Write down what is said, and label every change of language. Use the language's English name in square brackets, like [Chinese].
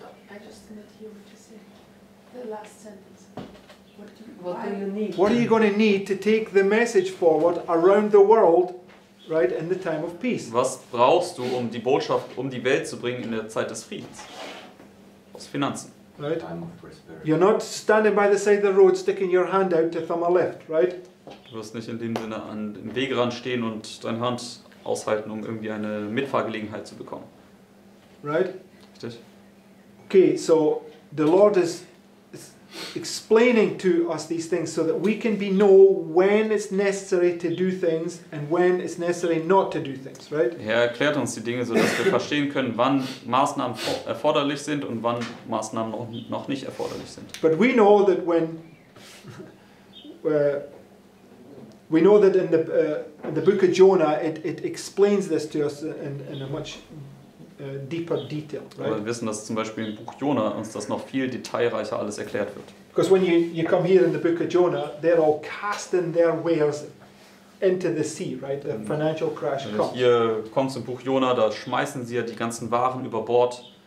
[English] I just didn't hear what you said. The last sentence. What do you need? What are you going to need to take the message forward around the world, right, in the time of peace? [German] Was brauchst du, um die Botschaft um die Welt zu bringen in der Zeit des Friedens? Aus Finanzen. [English] Right. You're not standing by the side of the road, sticking your hand out to thumb a lift, right? [German] Du wirst nicht in dem Sinne an dem Wegrand stehen und deine Hand aushalten, um irgendwie eine Mitfahrgelegenheit zu bekommen. [English] Right. [German] Richtig. [English] Okay, so the Lord is explaining to us these things so that we can be know when it's necessary to do things and when it's necessary not to do things, right? [German] Er erklärt uns die Dinge, so dass wir verstehen können, wann Maßnahmen erforderlich sind und wann Maßnahmen noch nicht erforderlich sind. [English] But we know that when we know that in the book of Jonah it explains this to us in a much deeper detail, right? [German] Aber wir wissen, dass zum Beispiel im Buch Jonah uns das noch viel detailreicher alles erklärt wird. [English] Because when you come here in the book of Jonah, they're all casting their wares into the sea, right? The financial crash comes. [German] Wenn du hier kommst im Buch Jonah, da schmeißen sie ja die ganzen Waren über Bord.